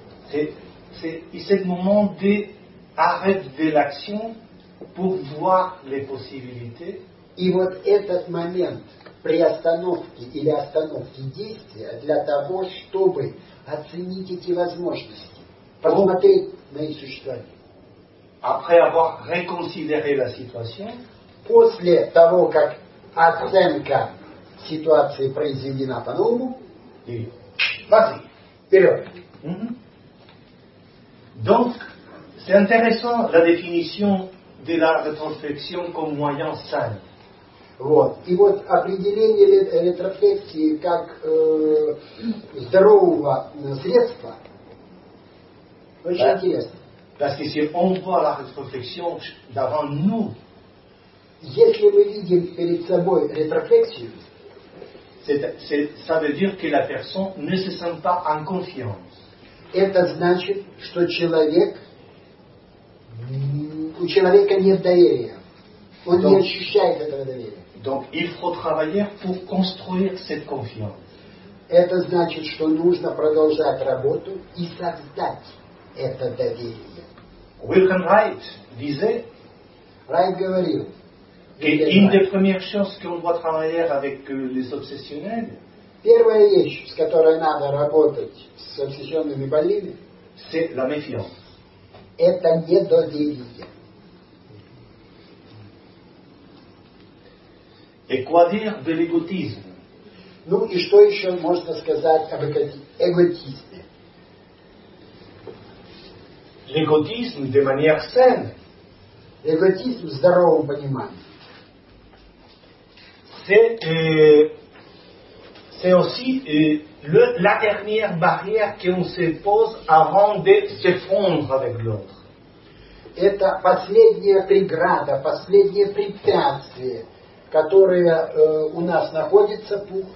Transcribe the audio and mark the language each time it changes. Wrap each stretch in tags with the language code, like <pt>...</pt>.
<fr>C'est le moment d'arrêt de l'action pour voir les possibilités.</fr> <ru>И вот этот момент приостановки или остановки действия для того, чтобы оценить эти возможности, посмотреть на их существование.</ru> <fr>Après avoir reconsidéré la situation,</fr> <ru>после того, как оценка ситуации произведена по-новому. И пошли. Вперед.</ru> <fr>Donc, c'est intéressant la définition de la rétroflexion comme moyen sain.</fr> <ru>Вот. И вот определение ретрофлексии как здорового средства очень интересно.</ru> <fr>Parce que si on voit la rétroflexion devant nous,</fr> <ru>если мы видим перед собой рефлексию,</ru> <fr>ça veut dire que la personne ne se sent pas en confiance.</fr> <ru>Это значит, что человек, у человека нет доверия. Он</ru> <fr>donc,</fr> <ru>не ощущает этого доверия.</ru> <fr>Donc il faut travailler pour construire cette confiance.</fr> <ru>Это значит, что нужно продолжать работу и создать это доверие.</ru> <fr>Wilhelm Reich disait,</fr> <ru>Райт говорил,</ru> <fr>et une des premières choses qu'on doit travailler avec les obsessionnels,</fr> <ru>первая вещь, с которой надо работать с обсессионными больными,</ru> <fr>c'est la méfiance.</fr> <ru>Это недоверие.</ru> <fr>Et quoi dire de l'égotisme?</fr> <ru>Ну и что еще можно сказать об эготизме?</ru> <fr>L'égotisme de manière saine.</fr> <ru>Эготизм в здоровом понимании.</ru> <fr>C'est aussi la dernière barrière qu'on se pose avant de s'effondrer avec l'autre.</fr> <ru>Это последняя преграда, последнее препятствие, которое у нас находится</ru>